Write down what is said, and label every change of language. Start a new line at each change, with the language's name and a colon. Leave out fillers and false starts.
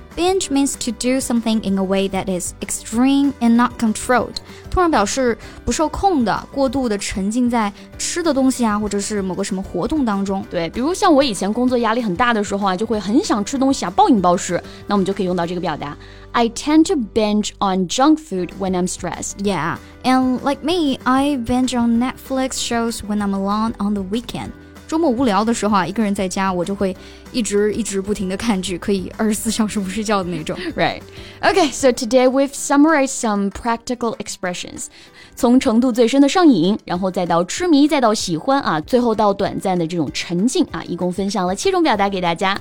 English: Binge means to do something in a way that is extreme and not controlled.
Chinese: 通常表示不受控的，过度的沉浸在吃的东西啊，或者是某个什么活动当中。对，比如像我以前工作压力很大的时候啊，就会很想吃东西啊，暴饮暴食。那我们就可以用到这个表达。
English: I tend to binge on junk food when I'm stressed. Yeah, and like me, I binge on Netflix shows when I'm alone on the weekend.
Chinese: 周末无聊的时候啊，一个人在家，我就会一直一直不停地看剧，可以24小时不睡觉的那种。
English: Right. Okay, so today we've summarized some practical expressions.
Chinese: 从程度最深的上瘾，然后再到痴迷，再到喜欢啊，最后到短暂的这种沉浸啊，一共分享了7种表达给大家。